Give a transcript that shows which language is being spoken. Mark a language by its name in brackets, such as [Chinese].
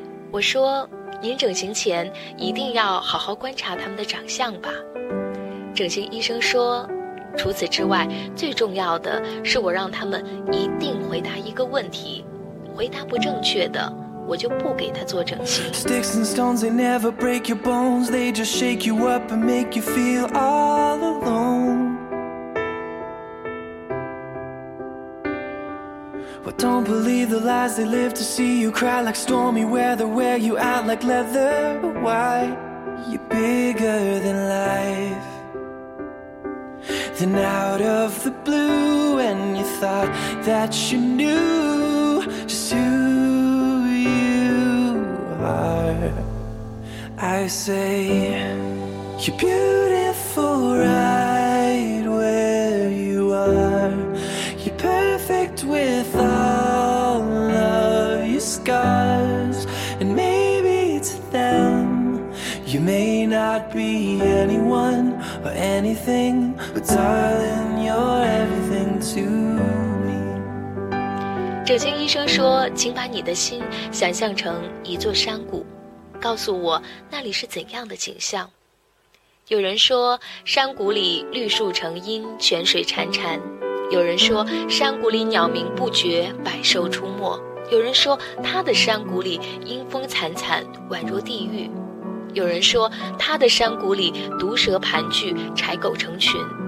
[Chinese] 我说您整形前一定要好好观察他们的长相吧。整形医生说除此之外最重要的是我让他们一定回答一个问题，回答不正确的我就不给他做整形。 [English] Sticks and stones they never break your bones, they just shake you up and make you feel all alone. Well, don't believe the lies they live to see you cry like stormy weather, wear you out like leather. Why? You're bigger than lifeThen out of the blue, and you thought that you knew just who you are. I say, you're beautiful right where you are. You're perfect with all of your scars. And maybe to them, you may not be anyone. Anything, but darling, you're everything to me. [Chinese] 整形医生说请把你的心想象成一座山谷，告诉我那里是怎样的景象。有人说山谷里绿树成荫，泉水潺潺，有人说山谷里鸟鸣不绝，百兽出没，有人说他的山谷里阴风惨惨，宛若地狱，有人说他的山谷里毒蛇盘踞，柴狗成群。